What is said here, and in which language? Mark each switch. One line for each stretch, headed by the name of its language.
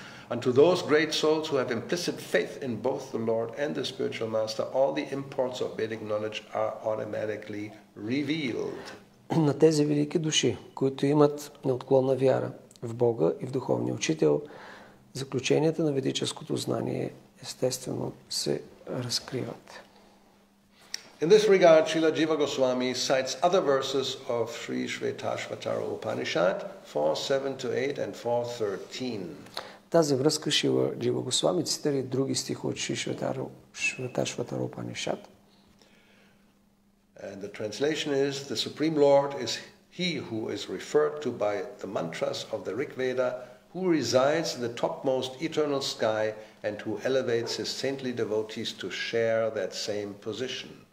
English: And to those great souls who have implicit faith in both the Lord and the spiritual master, all the imports of Vedic knowledge are automatically revealed.
Bulgarian: На тези велики души, които имат неотклонна вяра в Бога и в духовния учител, заключенията на ведическото знание естествено се разкриват.
English: In this regard, Srila Jiva Goswami cites other verses of Sri Shvetashvatara Upanishad 4.7-8 and 4.13.
Bulgarian: Тази връзка Шрила Джива Госвами цитира и други стихи от Шри Шветашватара Упанишад.
English: And the translation is, the Supreme Lord is he who is referred to by the mantras of the Rig Veda, who resides in the topmost eternal sky and who elevates his saintly devotees to share that same position.